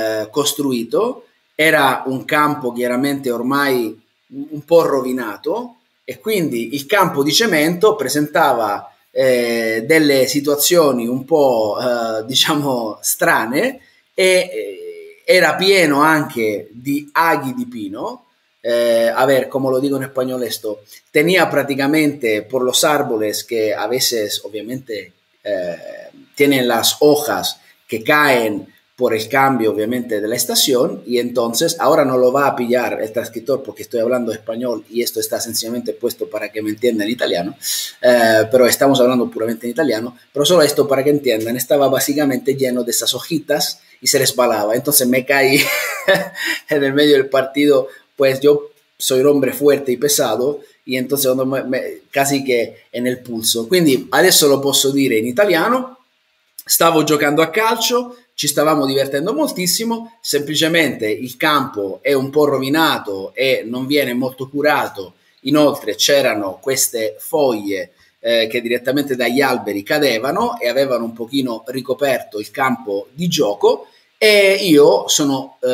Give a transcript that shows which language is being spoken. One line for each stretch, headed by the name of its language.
Italian: costruito, era un campo chiaramente ormai un po' rovinato, e quindi il campo di cemento presentava delle situazioni un po' diciamo strane, e era pieno anche di aghi di pino.
Spanish: A ver,
Italian: come lo dico in spagnolo,
Spanish: esto tenía praticamente por los árboles que a veces obviamente tienen las hojas que caen por el cambio obviamente de la estación, y entonces ahora no lo va a pillar el transcriptor porque estoy hablando español y esto está sencillamente puesto para que me entienda en italiano, pero estamos hablando puramente en italiano, pero solo esto para que entiendan, estaba básicamente lleno de esas hojitas y se resbalaba, entonces me caí en el medio del partido, pues yo soy un hombre fuerte y pesado, y entonces casi que en el pulso.
Italian: Quindi adesso lo posso dire in italiano. Stavo giocando a calcio, ci stavamo divertendo moltissimo, semplicemente il campo è un po' rovinato e non viene molto curato, inoltre c'erano queste foglie che direttamente dagli alberi cadevano e avevano un pochino ricoperto il campo di gioco, e io sono